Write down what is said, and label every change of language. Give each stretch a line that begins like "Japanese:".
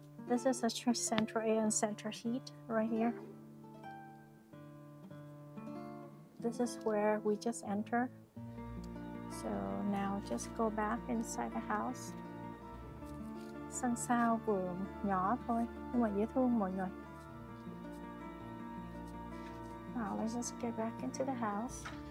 English: This is a central air and central heat right here. This is where we just enter. So now just go back inside the house.
Vietnamese: Sân sau vườn nhỏ thôi, nhưng mà dễ thương mọi người.
English: Now let's just get back into the house.